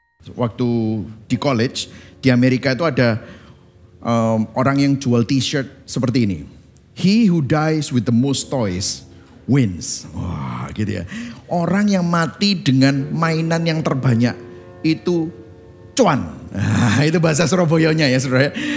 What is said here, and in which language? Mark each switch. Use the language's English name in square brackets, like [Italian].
[Indonesian] waktu di college di Amerika itu ada orang yang jual t-shirt seperti ini. [English] He who dies with the most toys wins. [Indonesian] Wah, gitu ya. Orang yang mati dengan mainan yang terbanyak itu cuan. Nah, itu bahasa Surabayanya ya, Saudara.